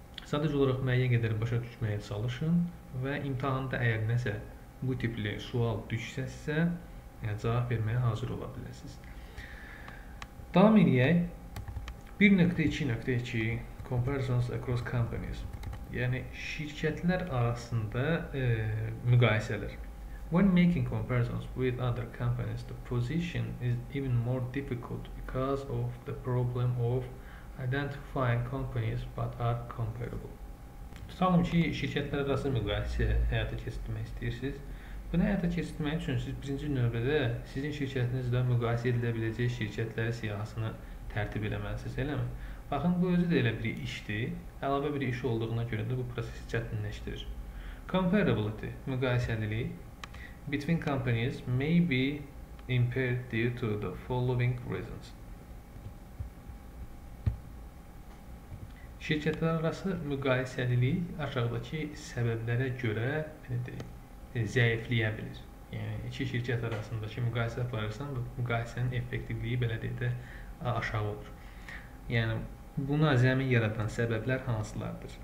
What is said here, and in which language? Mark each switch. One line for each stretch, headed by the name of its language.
Azerbaijani: Sadəcə olaraq müəyyən qədər başa düşməyə çalışın və imtahanda əgər nəsə bu tipli sual düşsə sizə, cavab verməyə hazır ola bilərsiniz. Davam edək.
English: 1.2.2 Comparisons across companies.
Azerbaijani: Yəni şirkətlər arasında müqayisələr.
English: When making comparisons with other companies, the position is even more difficult because of the problem of identifying companies that are comparable.
Azerbaijani: Tutalım ki, şirkətlər arası müqayisə həyata keçirmək istəyirsiniz. Bunu həyata keçirmək üçün siz birinci növbədə sizin şirkətinizlə müqayisə edilə biləcək şirkətlərin siyahısını tərtib eləməlisiniz, eləmi? Baxın, bu özü də elə bir işdir. Əlavə bir iş olduğuna görə də bu prosesi çətinləşdirir.
English: Comparability, müqayisəlilik. Between companies may be impaired due to the following reasons.
Azerbaijani: Şirkətlər arası müqayisəlilik aşağıdakı səbəblərə görə zəifləyə bilir. Yəni iki şirkət arasındakı müqayisə aparırsan, bu müqayisənin effektivliyi belə deyək də aşağı olur. Yəni buna zəmin yaradan səbəblər hansılardır?